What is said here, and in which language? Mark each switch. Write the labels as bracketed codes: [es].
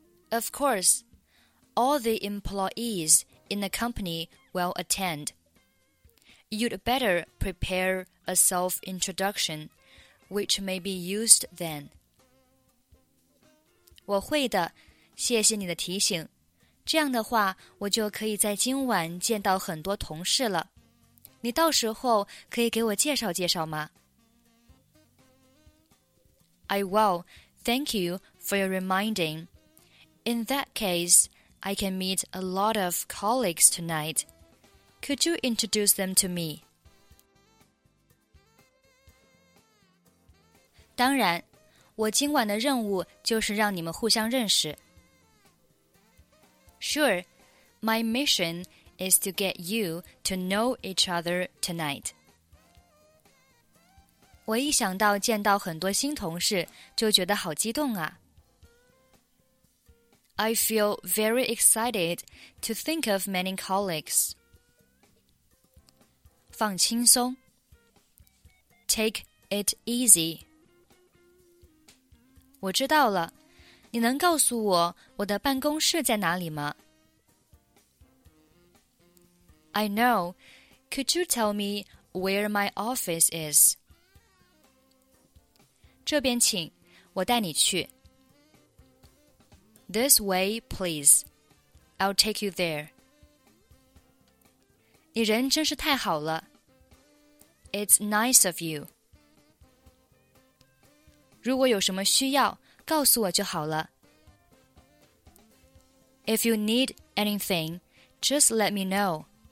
[en] Of course, all the employees in the company will attend. You'd better prepare a self-introduction, which may be used then. [zh] 我会的，谢谢你的提醒。这样的话，我就可以在今晚见到很多同事了。你到时候可以给我介绍介绍吗 [en] ？I will. Thank you for your reminding. In that case, I can meet a lot of colleagues tonight. Could you introduce them to me? [zh] 当然，我今晚的任务就是让你们互相认识。 [en] Sure, my mission is to get you to know each other tonight. [zh] 我一想到见到很多新同事，就觉得好激动啊。 [en] I feel very excited to think of many colleagues. [zh] 放轻松。 [en] Take it easy. [zh] 我知道了，你能告诉我我的办公室在哪里吗？ [en] I know. Could you tell me where my office is? [zh] 这边请，我带你去。 [en] This way, please. I'll take you there. [zh] 你人真是太好了。 [en] It's nice of you. [zh] 如果有什么需要，告诉我就好了。 [en] If you need anything, just let me know.